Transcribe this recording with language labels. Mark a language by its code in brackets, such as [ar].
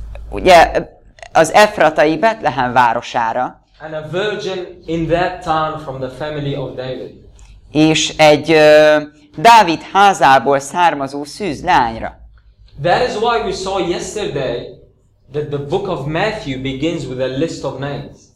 [hu] Ugye, az Efratai Betlehem városára. [en] And a virgin in that town from the family of David. [hu] És egy Dávid házából származó szűz lányra. [en] That is why we saw yesterday that the book of Matthew begins with a list of names.